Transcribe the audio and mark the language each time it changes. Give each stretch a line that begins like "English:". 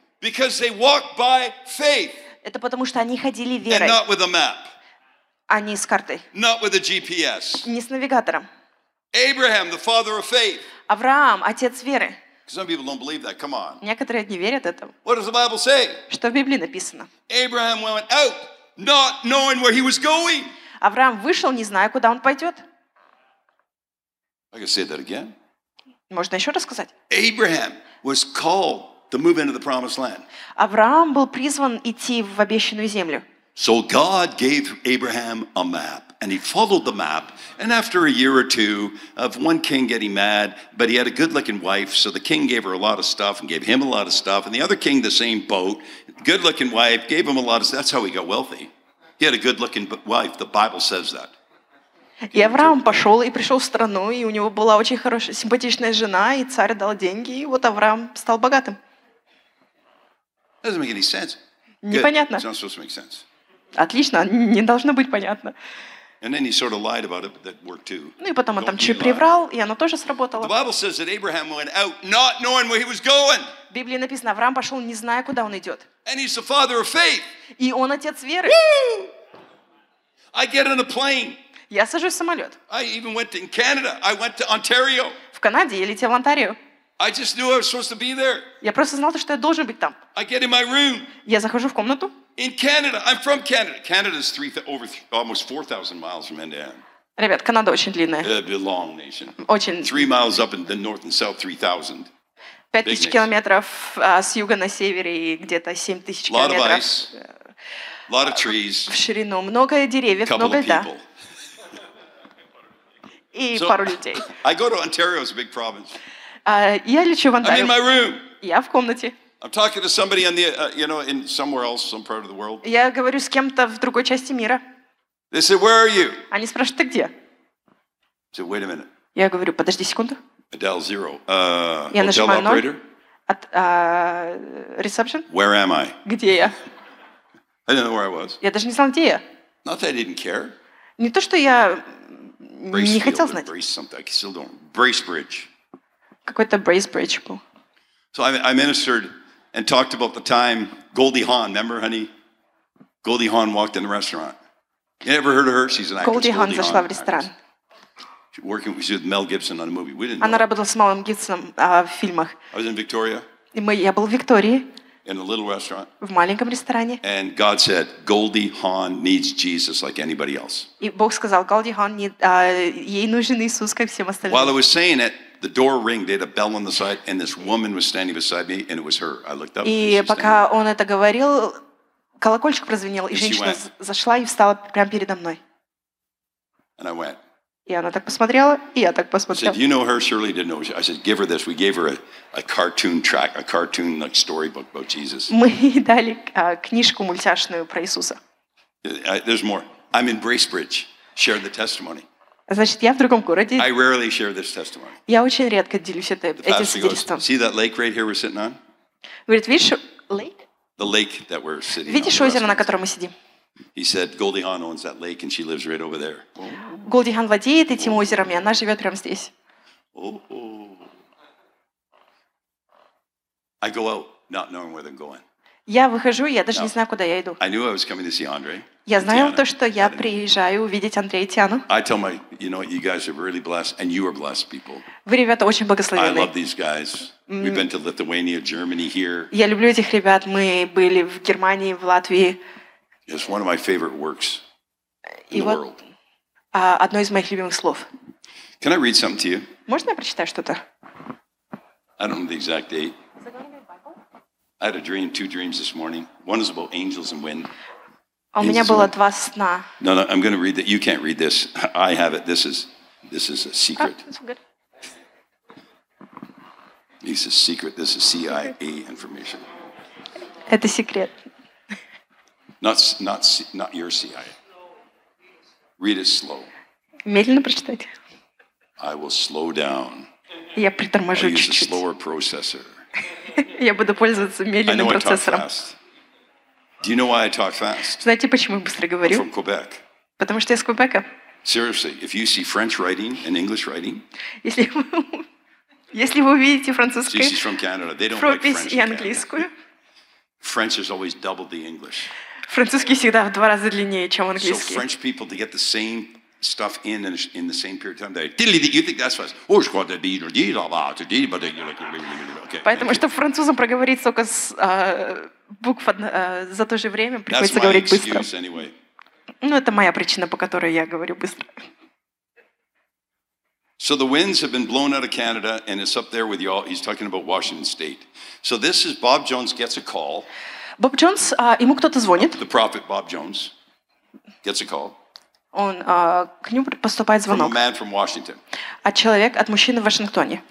English: Because they walked by faith.
Russian: Это потому, что они ходили верой, а не с картой, не с навигатором.
English: Abraham, the father of faith.
Russian: Авраам, отец веры.
English: Some people don't believe that. Come on.
Russian: Некоторые не верят этому.
English: What does the Bible say?
Russian: Что в Библии написано?
English: Abraham went out, not knowing where he was going.
Russian: Авраам вышел, не зная, куда он пойдет.
English: I can say that again.
Russian: Можно еще раз сказать?
English: Abraham was called to move into the promised land.
Russian: Авраам был призван идти в обещанную землю.
English: So God gave Abraham a map, and he followed the map. And after a year or two of one king getting mad, but he had a good-looking wife, so the king gave her a lot of stuff and gave him a lot of stuff. And the other king, the same boat, good-looking wife, gave him a lot of stuff. That's how he got wealthy. He had a good-looking wife. The Bible says that.
Russian: И Авраам пошел и пришел в страну, и у него была очень хорошая, симпатичная жена, и царь дал деньги, и вот Авраам стал богатым.
English: Doesn't make any sense.
Russian: Непонятно.
English: It's not supposed to make sense.
Russian: Отлично, не должно быть понятно.
English: And then he sort of lied about it, but that worked too.
Russian: Ну и потом он там чуть приврал, и оно тоже сработало.
English: The Bible says that Abraham went out not knowing where he was going.
Russian: В Библии написано, Авраам пошел, не зная, куда он идет.
English: And he's the father of faith.
Russian: И он отец веры.
English: Woo! I get on a plane.
Russian: Я сажусь в самолет.
English: I even went to Canada. I went to Ontario.
Russian: В Канаде я летел в Онтарию.
English: I just knew I was supposed to be there.
Russian: Я просто знал, что я должен быть там.
English: I get in my room.
Russian: Я захожу в комнату.
English: In Canada. I'm from Canada. Canada is almost 4,000 miles from end to end.
Russian: Ребят, Канада очень длинная.
English: It'd be a long nation.
Russian: Очень.
English: 3 miles up in the north and south, 3,000.
Russian: 5000 километров с юга на севере и где-то 7000 километров.
English: Lot of ice. Lot of trees.
Russian: В ширину много деревьев, много льда. И
English: so,
Russian: пару людей.
English: I go to Ontario, it's a big province.
Russian: Я лечу в Онтарио.
English: I'm in my room.
Russian: Я в комнате.
English: I'm talking to somebody on the, you know, in somewhere else, some part of the world.
Russian: Я говорю с кем-то в другой части мира.
English: They say, "Where are you?"
Russian: Они спрашивают, ты где?
English: I say, "Wait a minute."
Russian: Я говорю, подожди секунду.
English: I dial zero. Hotel operator. At reception. Where am I?
Russian: Где я?
English: I didn't know where I was.
Russian: Я даже не знал, где я.
English: Not that I didn't care.
Russian: Не то, что я не хотел знать.
English: Bracebridge. I still don't. Bracebridge.
Russian: Какой-то Bracebridge был.
English: So I ministered and talked about the time Goldie Hawn. Remember, honey? Goldie Hawn walked in the restaurant. You ever heard of her? She's an actress.
Russian: Goldie Hawn зашла в ресторан.
English: She's working with Mel Gibson on a movie. We didn't.
Russian: Она работала с Мелом Гибсоном в фильмах.
English: I was in Victoria.
Russian: И я был в Виктории.
English: In a little restaurant.
Russian: В маленьком ресторане.
English: And God said, Goldie Hawn needs Jesus like anybody else.
Russian: И Бог сказал, Goldie Hawn ей нужен Иисус, как всем остальным.
English: While I was saying it, the door rang. They had a bell on the side, and this woman was standing beside me, and it was her. I looked up.
Russian: И пока он это говорил, колокольчик прозвенел, и женщина зашла и встала прямо передо мной.
English: And I went.
Russian: И она так посмотрела, и я так посмотрел.
English: I said, "Do you know her? Surely didn't know her." I said, "Give her this. We gave her a cartoon track, a cartoon like storybook about Jesus."
Russian: Мы дали книжку мультяшную про Иисуса.
English: There's more. I'm in Bracebridge, sharing the testimony.
Russian: Значит, я в другом городе.
English: I rarely share this testimony.
Russian: Я очень редко делюсь этим свидетельством.
English: See that lake right here we're sitting on?
Russian: Говорит, видишь lake?
English: The lake that we're sitting on.
Russian: Видишь озеро, на котором мы сидим?
English: He said, "Goldie Hawn owns that lake, and she lives right over there." Oh.
Russian: Goldie Hawn владеет этим озером, и она живет прямо здесь. Oh.
English: I go out, not knowing where I'm going.
Russian: Я выхожу, я даже не знаю, куда я иду.
English: I knew I was coming to see Andre.
Russian: Я знаю то, что я приезжаю увидеть Андрея и Тиану.
English: I tell my, you know, you guys are really blessed, and you are blessed people.
Russian: Вы, ребята, очень благословенные.
English: I love these guys. We've been to Lithuania, Germany here.
Russian: Я люблю этих ребят. Мы были в Германии, в Латвии.
English: It's one of my favorite works in the world.
Russian: Одно из моих любимых слов.
English: Can I read something to you?
Russian: Можно я прочитаю что-то?
English: I don't know the exact date. I had a dream, two dreams this morning. One is about angels and wind.
Russian: У меня было два сна.
English: No, no, I'm going to read that. You can't read this. I have it. This is a secret. That's good. It's a secret. This is CIA information.
Russian: Это секрет.
English: Not your CIA. Read it slow.
Russian: Медленно прочитайте.
English: I will slow down.
Russian: Я притормажу чуть-чуть.
English: I'll use a slower processor.
Russian: Я буду пользоваться медленным процессором.
English: Do you know why I talk fast?
Russian: Знаете, почему я быстро говорю?
English: I'm from Quebec.
Russian: Потому что я из Квебека.
English: Seriously, if you see French writing and English writing,
Russian: если вы увидите французское,
English: she's from Canada. They don't like French.
Russian: Пропись и английскую.
English: French is always double the English.
Russian: Французский всегда в два раза длиннее, чем английский.
English: So French people to get the same stuff in the same period of time. You think that's fast?
French: Oh, je crois que c'est bien. Dis là, bah, tu dis,
English: but you're like, okay.
Russian: Поэтому что французам проговорить столько букв за то же время приходится говорить быстро.
English: Anyway.
Russian: Ну, это моя причина, по которой я говорю быстро.
English: So the winds have been blown out of Canada, and it's up there with y'all. He's talking about Washington State. So this is Bob Jones gets a call.
Russian: Bob Jones, ему кто-то звонит.
English: The prophet Bob Jones gets a call.
Russian: Он к нему поступает звонок.
English: From a man from Washington.
Russian: От человека, от мужчины в Вашингтоне.